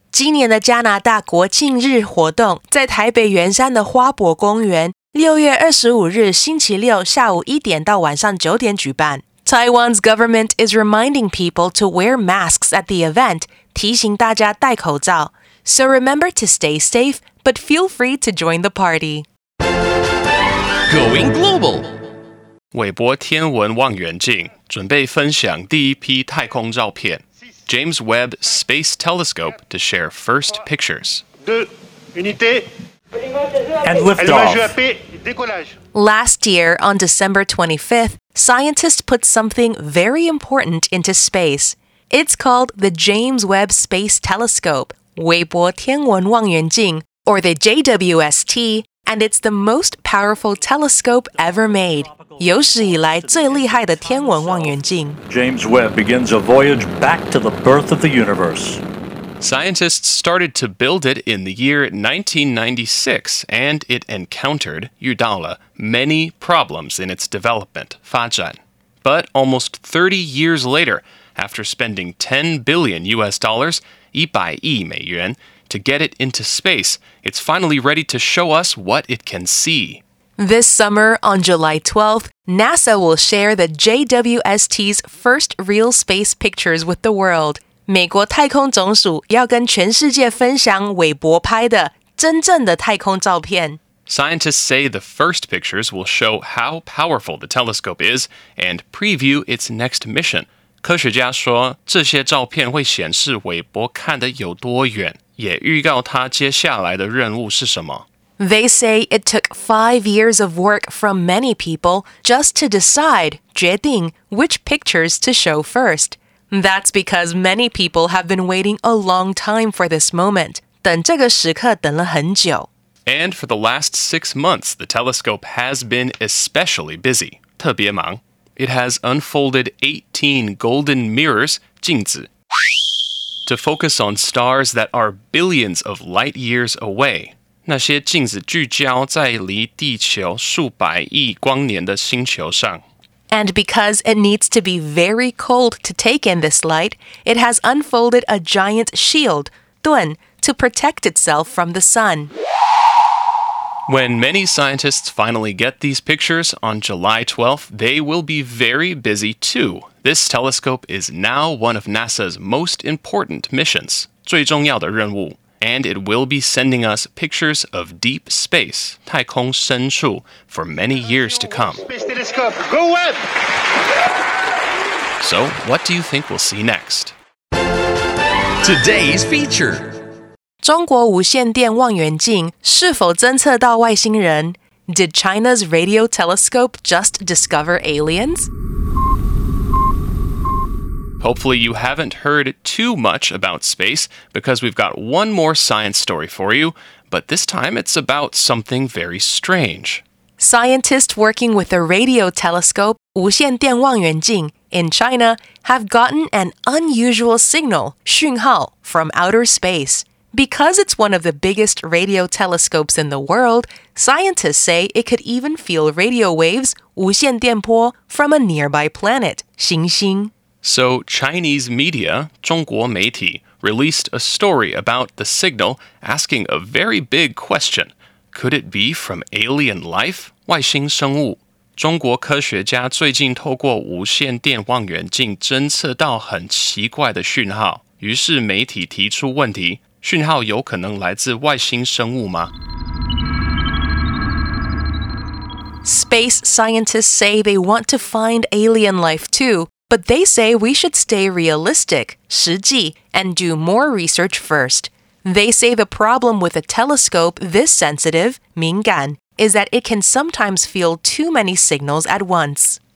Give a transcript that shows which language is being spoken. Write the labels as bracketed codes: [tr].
[zh] 今年的加拿大国庆日活动在台北圆山的花博公园6月25日星期六下午1点到晚上9点举办。 [en] Taiwan's government is reminding people to wear masks at the event, [zh] 提醒大家戴口罩。 [en] So remember to stay safe, but feel free to join the party. Going global! [zh] 韋伯天文望遠鏡準備分享第一批太空照片。 [en] James Webb Space Telescope to share first pictures. And lift off. Last year, on December 25th, scientists put something very important into space. It's called the James Webb Space Telescope, [zh] 韋伯天文望遠鏡, [en] or the JWST, and it's the most powerful telescope ever made. [zh] 有史以來最厲害的天文望遠鏡。 [en] James Webb begins a voyage back to the birth of the universe. Scientists started to build it in the year 1996, and it encountered, [zh] 遇到了, [en] many problems in its development, [zh] 发展. [en] But almost 30 years later, after spending $10 billion, [zh] 一百億美元, [en] to get it into space, it's finally ready to show us what it can see. This summer, on July 12th, NASA will share the JWST's first real space pictures with the world. [zh] 美国太空总署要跟全世界分享韦伯拍的真正的太空照片。 [en] Scientists say the first pictures will show how powerful the telescope is and preview its next mission. [zh] 科学家说这些照片会显示韦伯看得有多远，也预告他接下来的任务是什么。 [en] They say it took 5 years of work from many people just to decide, [zh] 决定, [en] which pictures to show first. That's because many people have been waiting a long time for this moment. [zh] 等这个时刻等了很久。 [en] And for the last 6 months, the telescope has been especially busy. [zh] 特别忙。 [en] It has unfolded 18 golden mirrors, [zh] 镜子, [en] to focus on stars that are billions of light years away. [zh] 那些鏡子聚焦在離地球數百億光年的星球上。 [en] And because it needs to be very cold to take in this light, it has unfolded a giant shield, [zh] 盾, [en] to protect itself from the sun. When many scientists finally get these pictures on July 12th, they will be very busy too. This telescope is now one of NASA's most important missions, [zh] 最重要的任务。 [en] And it will be sending us pictures of deep space, [zh] 太空深处, [en] for many years to come. Space telescope, go up! So, what do you think we'll see next? Today's feature. [zh] 中国无线电望远镜是否侦测到外星人？ [en] Did China's radio telescope just discover aliens? Hopefully you haven't heard too much about space, because we've got one more science story for you, but this time it's about something very strange. Scientists working with a radio telescope, [zh] 无线电望远镜, [en] in China, have gotten an unusual signal, [zh] 讯号, [en] from outer space. Because it's one of the biggest radio telescopes in the world, scientists say it could even feel radio waves, [zh] 无线电波, [en] from a nearby planet, [zh] 行星。 [en] So Chinese media, [zh] 中国媒体, [en] released a story about the signal asking a very big question. Could it be from alien life? [zh] 外星生物。中国科学家最近透过无线电望远镜侦测到很奇怪的讯号。于是媒体提出问题，讯号有可能来自外星生物吗？ [en] Space scientists say they want to find alien life too. But they say we should stay realistic, [zh] 实际, [en] and do more research first. They say the problem with a telescope this sensitive, [zh] 敏感, [en] is that it can sometimes feel too many signals at once.